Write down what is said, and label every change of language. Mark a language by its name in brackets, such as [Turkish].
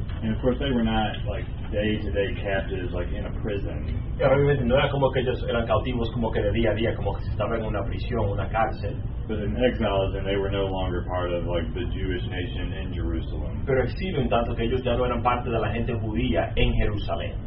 [English] And of course, they were not like day-to-day captives, like in a prison. [Spanish] Obviamente no era como que ellos eran cautivos como que de día a día, como que estaban en una prisión, una cárcel. [English] But in exile, then they were no longer part of like the Jewish nation in Jerusalem. [Spanish] Pero exilio en tanto que ellos ya no eran parte de la gente judía en Jerusalén.